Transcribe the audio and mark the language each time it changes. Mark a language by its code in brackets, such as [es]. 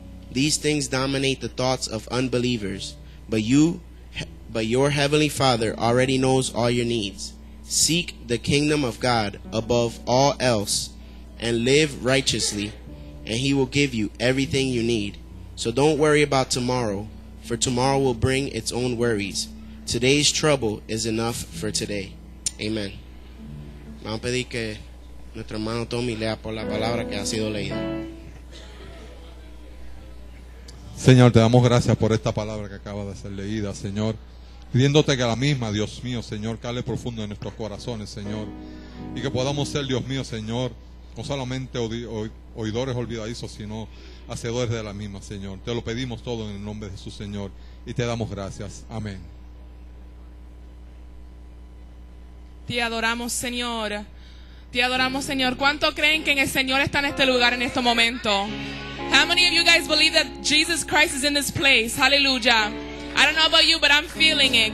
[en] These things dominate the thoughts of unbelievers. But your heavenly Father already knows all your needs. Seek the kingdom of God above all else and live righteously, and He will give you everything you need. So don't worry about tomorrow, for tomorrow will bring its own worries. Today's trouble is enough for today. Amen. [es] Vamos a pedir que nuestro hermano Tommy lea por la palabra que ha sido leída. Señor, te damos gracias por esta palabra que acaba de ser leída, Señor. Pidiéndote que la misma, Dios mío, Señor, cale profundo en nuestros corazones, Señor. Y que podamos ser, Dios mío, Señor, no solamente oidores olvidadizos, sino hacedores de la misma, Señor. Te lo pedimos todo en el nombre de Jesús, Señor. Y te damos gracias. Amén. Te adoramos, Señor. Te adoramos, Señor. ¿Cuánto creen que el Señor está en este lugar en este momento? [en] How many of you guys believe that Jesus Christ is in this place? Hallelujah. I don't know about you, but I'm feeling it.